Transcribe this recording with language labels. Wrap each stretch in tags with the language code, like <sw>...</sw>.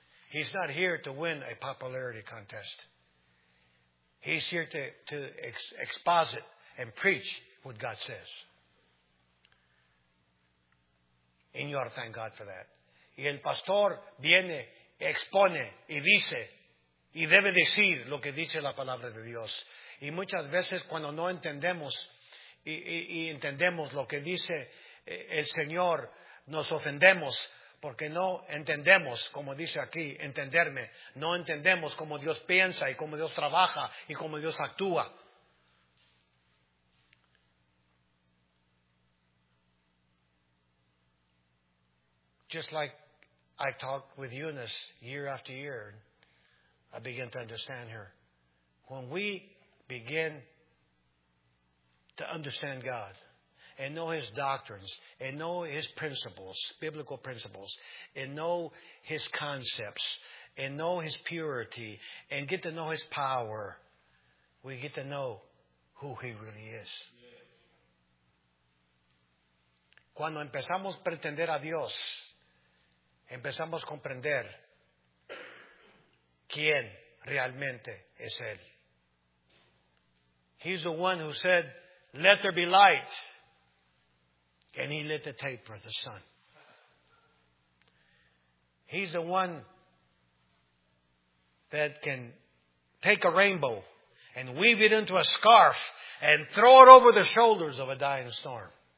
<en>He's not here to win a popularity contest. He's here to exposit and preach what God says. And you ought to thank God for that.</en> <es>Y el pastor viene, expone, y dice, y debe decir lo que dice la palabra de Dios. Y muchas veces cuando no entendemos y entendemos lo que dice el Señor, nos ofendemos porque no entendemos, como dice aquí, entenderme. No entendemos cómo Dios piensa y cómo Dios trabaja y cómo Dios actúa.</es> <en>Just like I talked with Eunice year after year, I begin to understand her. When we begin to understand God and know His doctrines and know His principles, biblical principles, and know His concepts and know His purity and get to know His power, we get to know who He really is.</en> <es>Cuando empezamos a pretender a Dios, empezamos a comprender quién realmente es Él.</es> <en>He's the one who said, "Let there be light." And He lit the taper, the sun. He's the one that can take a rainbow and weave it into a scarf and throw it over the shoulders of a dying storm.</en>